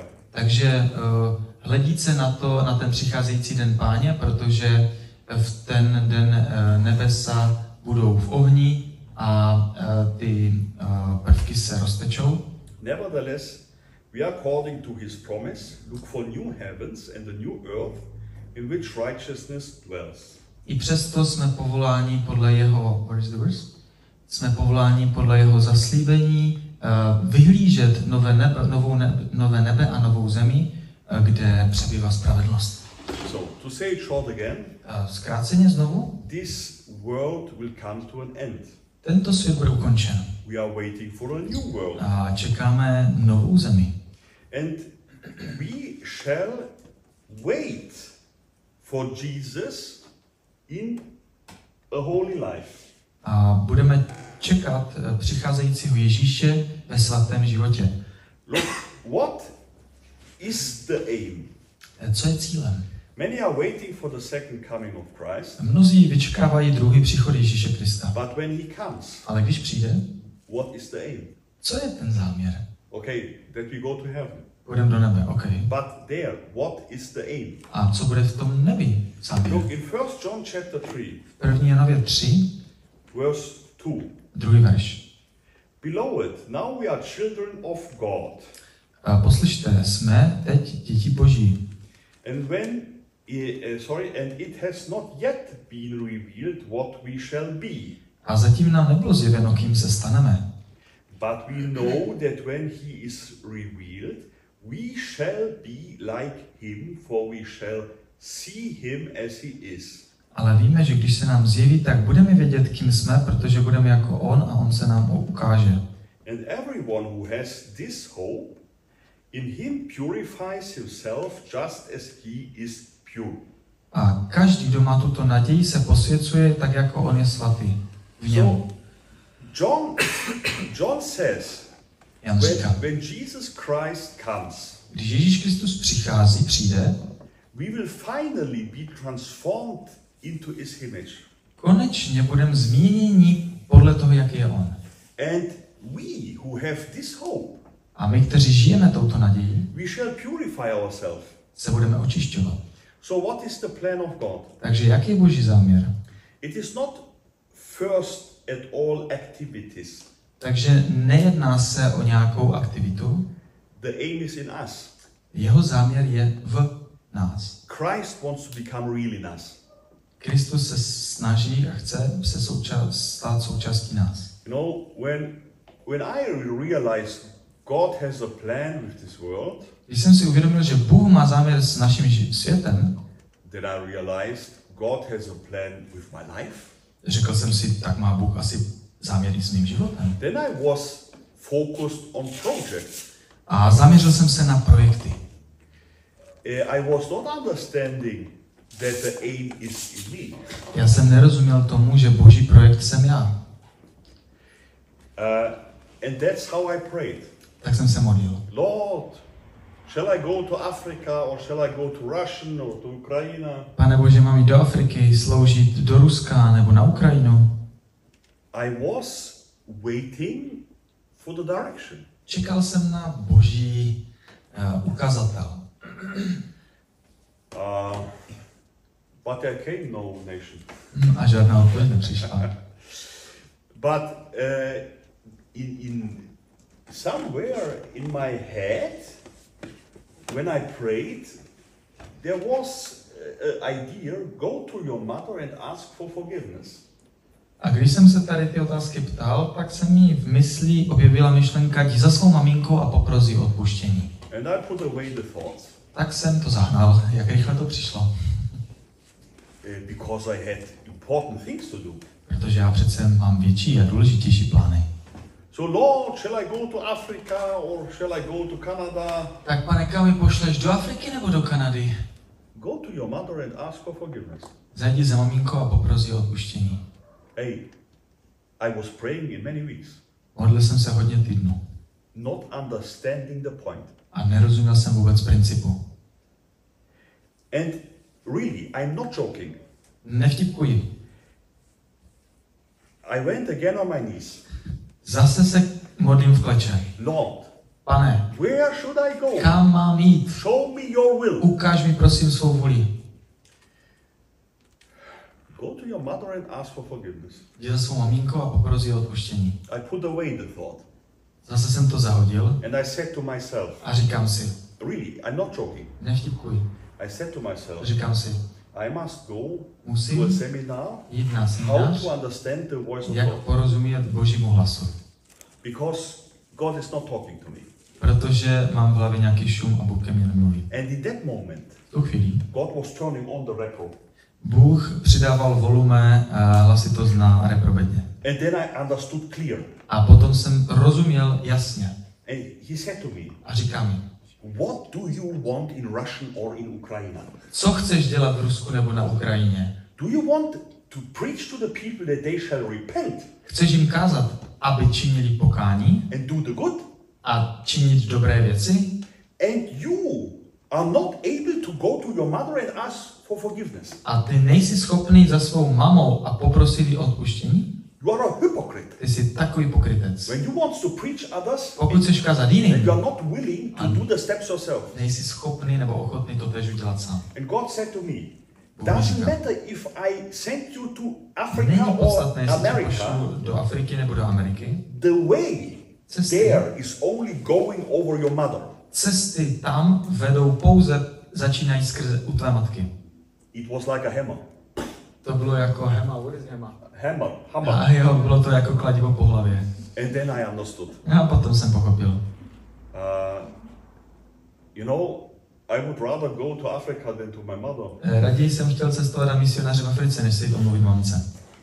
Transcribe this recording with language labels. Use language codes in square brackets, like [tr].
[cs] Takže hledíce na to, na ten přicházející den Páně, protože v ten den nebesa budou v ohni a ty prvky se roztečou. [en] Nevertheless, we are according to his promise, look for new heavens and a new earth in which righteousness dwells. [cs] I přesto jsme povoláni podle jeho, [en] what is the verse? [cs] Jsme povoláni podle jeho zaslíbení vyhlížet nové nebe a novou zemi, kde přebývá spravedlnost. [en] So, to say it short again. [cs] Zkráceně znovu. [en] This world will come to an end. [cs] Tento svět bude ukončen. [en] We are waiting for a new world. [cs] A čekáme novou zemi. [en] And we shall wait for Jesus in a holy life. [cs] A budeme čekat přicházejícího Ježíše ve svatém životě. [en] Look, what is the aim? [cs] Co je cílem? [en] Many are waiting for the second coming of Christ. [cs] Mnozí vyčkávají druhý příchod Ježíše Krista. [en] But when he comes, [cs] ale když přijde, [en] what is the aim? [cs] Co je ten záměr? [en] Okay, that we go to heaven. [cs] Půjdem do nebe, okay. [en] But there, what is the aim? [cs] A co bude v tom nebi? Záměr? [en] Look, in 1 John chapter 3. [cs] V 1. Janově 3. [en] Verse 2. [cs] Druhý verš. [en] Beloved, now we are children of God. [cs] A poslyšte, jsme teď děti Boží. [en] And when and it has not yet been revealed what we shall be. [cs] A zatím nám nebylo zjeveno, kým se staneme. [en] But we know that when he is revealed, we shall be like him, for we shall see him as he is. [cs] Ale víme, že když se nám zjeví, tak budeme vědět, kým jsme, protože budeme jako on a on se nám ukáže. [en] And everyone who has this hope in him purifies himself just as he is pure. [cs] A každý, kdo má tuto naději, se posvěcuje tak, jako on je svatý. V něm. [en] John says, when Jesus Christ comes, [cs] když Ježíš Kristus přichází, přijde, [en] we will finally be transformed into his image. [cs] Konečně budeme změněni podle toho, jak je on. [en] And we who have this hope, [cs] a my, kteří žijeme touto naději, [en] we shall purify ourselves. [cs] Se budeme očišťovat. [en] So what is the plan of God? [cs] Takže jaký je Boží záměr? [en] It is not first at all activities. [cs] Takže nejedná se o nějakou aktivitu. [en] The aim is in us. [cs] Jeho záměr je v nás. [en] Christ wants to become real in us. [cs] Kristus se snaží a chce se stát součástí nás. [en] You know, when I realize God has a plan with this world, [cs] když jsem si uvědomil, že Bůh má záměr s naším světem, [en] then I realized God has a plan with my life. [cs] Řekl jsem si, tak má Bůh asi záměr s mým životem. [en] Then I was focused on projects. [cs] A zaměřil jsem se na projekty. [en] I was not understanding that the aim is in me. [cs] Já jsem nerozuměl tomu, že Boží projekt jsem já. [en] And that's how I prayed. [cs] Tak jsem se modlil. [en] Lord, shall I go to Africa or shall I go to Russia or to Ukraine? [cs] Pane Bože, mám jít do Afriky, sloužit do Ruska nebo na Ukrajinu? [en] I was waiting for the direction. [cs] Čekal jsem na Boží ukazatel. [en] But there came no nation. [cs] A žádná odpověď nepřišla. [en] But in somewhere in my head, when I prayed, there was an idea, go to your mother and ask for forgiveness. [cs] A když jsem se tady ty otázky ptal, tak se mi v mysli objevila myšlenka, jdi za svou maminkou a poprosí o odpuštění. [en] And I put away the thoughts. [cs] Tak jsem to zahnal, jak rychle to přišlo. [en] Because I had important things to do. [cs] Protože já přece mám větší a důležitější plány. [en] So Lord, shall I go to Africa or shall I go to Canada? [cs] Tak pane, kam mi pošleš, do Afriky nebo do Kanady? [en] Go to your mother and ask for forgiveness. [cs] Zajdi za maminkou a poprosí o odpuštění. [en] Hey, I was praying in many weeks. [cs] Modlil jsem se hodně týdnů. [en] Not understanding the point. [cs] A nerozuměl jsem vůbec principu. [en] And really, I'm not joking. [cs] Nevtipkuji. [en] I went again on my knees. [cs] Zase se modlím v kleče. [en] Lord, [cs] pane, [en] where should I go? [cs] Kam mám jít? [en] Show me your will. [cs] Ukáž mi prosím svou vůli. [en] Go to your mother and ask for forgiveness. [cs] Jdi za svou maminkou a poprosí o odpuštění. [en] I put away the thought. [cs] Zase jsem to zahodil. [en] And I said to myself. [cs] A říkám si. [en] Really, I'm not joking. [cs] Nevtipkuji. [en] I said to myself. [cs] Říkám si. [en] I must go [cs] musím [en] to a seminar, [cs] jít na seminář, [en] how to understand the voice of God. [cs] Jak porozumět Božímu hlasu. [en] Because God is not talking to me. [cs] Protože mám v hlavě nějaký šum a Bůh ke mně nemluví. [en] And in that moment, [cs] tu chvíli, [en] God was turning on the record. [cs] Bůh přidával volume a hlasitost na reprobedně. [en] And then I understood clear. [cs] A potom jsem rozuměl jasně. [en] And he said to me, [cs] a říká mi, [en] what do you want in Russian or in Ukraine? [cs] Co chceš dělat v Rusku nebo na Ukrajině? [en] Do you want to preach to the people that they shall repent? [cs] Chceš jim kázat, aby činili pokání? [en] And do the good? [cs] A činit dobré věci? [en] And you are not able to go to your mother and ask for forgiveness. [cs] A ty nejsi schopný za svou mamou a poprosit ji odpuštění? [en] You are a hypocrite. [cs] Ty jsi takový pokrytec. [en] When you want to preach others, [cs] pokud chceš kázat jiným, [en] you are not willing to do the steps yourself. [cs] Nejsi schopný nebo ochotný to tež udělat sám. [en] And God said to me, doesn't matter if I send you to Africa or America. [cs] Není podstatné, jestli do Afriky nebo do Ameriky. [en] The way there is only going over your mother. [cs] Cesty tam vedou pouze, začínají skrze u tvé matky. [en] It was like a hammer. [cs] To bylo jako hammer. [en] What is hammer? Hammer. [cs] A jo, bylo to jako kladivo po hlavě. [en] And then I understood. [cs] A potom jsem pochopil. [en] You know, I would rather go to Africa than to my mother. [cs] Raději jsem chtěl cestovat na misionáře v Africe, než se jít omluvit mamce.